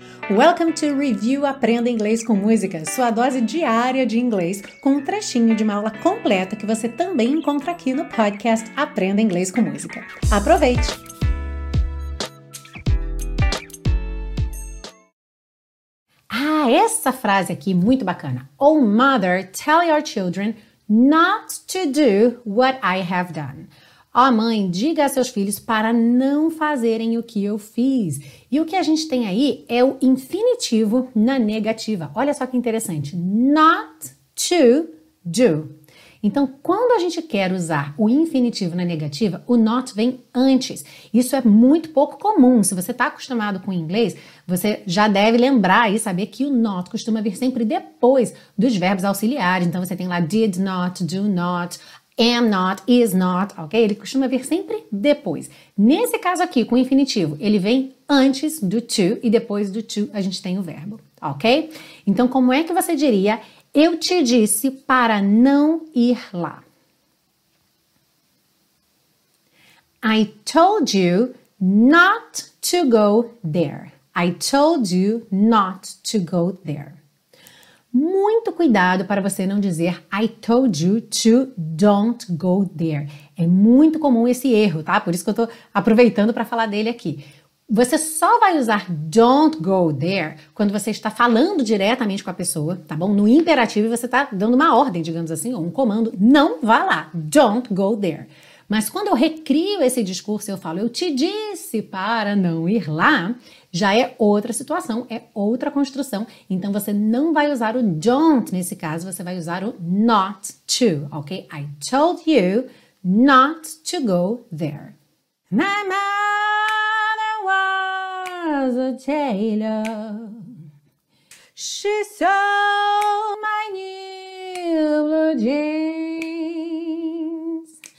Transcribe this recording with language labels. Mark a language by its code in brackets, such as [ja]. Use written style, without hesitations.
[en] Welcome to [pt] Review Aprenda Inglês com Música, sua dose diária de inglês, com um trechinho de uma aula completa que você também encontra aqui no podcast Aprenda Inglês com Música. Aproveite! Ah, essa frase aqui, muito bacana. [en] Oh, mother, tell your children not to do what I have done. [pt] Ó, mãe, diga a seus filhos para não fazerem o que eu fiz. E o que a gente tem aí é o infinitivo na negativa. Olha só que interessante. [en] Not to do. [pt] Então, quando a gente quer usar o infinitivo na negativa, o not vem antes. Isso é muito pouco comum. Se você está acostumado com inglês, você já deve lembrar e saber que o not costuma vir sempre depois dos verbos auxiliares. Então, você tem lá [en] did not, do not, am not, is not, [pt] ok? Ele costuma vir sempre depois. Nesse caso aqui, com o infinitivo, ele vem antes do to e depois do to a gente tem o verbo, ok? Então, como é que você diria eu te disse para não ir lá? [en] I told you not to go there. I told you not to go there. [pt] Muito cuidado para você não dizer [en] I told you to don't go there. [pt] É muito comum esse erro, tá? Por isso que eu estou aproveitando para falar dele aqui. Você só vai usar [en] don't go there [pt] quando você está falando diretamente com a pessoa, tá bom? No imperativo você está dando uma ordem, digamos assim, ou um comando. Não vá lá, [en] don't go there. [pt] Mas quando eu recrio esse discurso e eu falo eu te disse para não ir lá, já é outra situação, é outra construção. Então você não vai usar o don't nesse caso, você vai usar o not to, ok? [en] I told you not to go there. My mother was a tailor. She sewed my new blue jeans.